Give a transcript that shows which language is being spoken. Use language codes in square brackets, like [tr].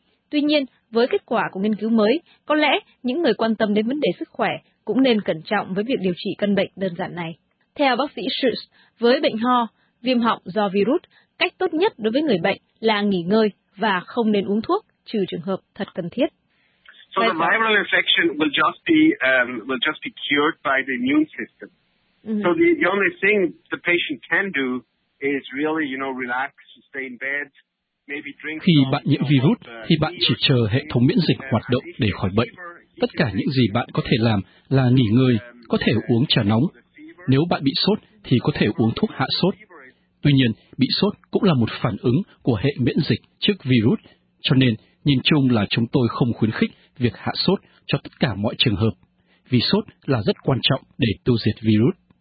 [vi] Tuy nhiên, với kết quả của nghiên cứu mới, có lẽ những người quan tâm đến vấn đề sức khỏe cũng nên cẩn trọng với việc điều trị căn bệnh đơn giản này. Theo bác sĩ Schultz, với bệnh ho, viêm họng do virus, cách tốt nhất đối với người bệnh là nghỉ ngơi và không nên uống thuốc, trừ trường hợp thật cần thiết. [en] So the viral infection will just be cured by the immune system. So the only thing the patient can do is really, you know, relax, stay in bed, maybe drink. [vi] Khi bạn nhiễm virus, thì bạn chỉ chờ hệ thống miễn dịch hoạt động để khỏi bệnh. Tất cả những gì bạn có thể làm là nghỉ ngơi, có thể uống trà nóng. Nếu bạn bị sốt, thì có thể uống thuốc hạ sốt. Tuy nhiên, bị sốt cũng là một phản ứng của hệ miễn dịch trước virus, cho nên nhìn chung là chúng tôi không khuyến khích việc hạ sốt cho tất cả mọi trường hợp, vì sốt là rất quan trọng để tiêu diệt virus.